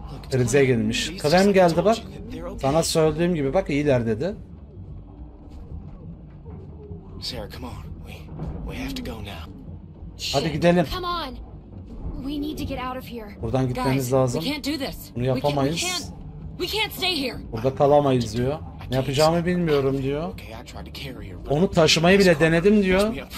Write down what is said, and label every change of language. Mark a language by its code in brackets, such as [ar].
[tr] Krize girmiş. Clem geldi bak. Sana söylediğim gibi bak iyiler dedi. [en] Sarah, come on. We have to go now. [tr] Hadi gidelim. [en] Come on. We need to get out of here. [tr] Buradan gitmemiz [en] Guys, [tr] lazım. [en] We can't do this. [tr] Bunu yapamayız. [en] We can't stay here. [tr] Burada kalamayız diyor. Ne yapacağımı bilmiyorum diyor. Onu taşımayı bile denedim diyor.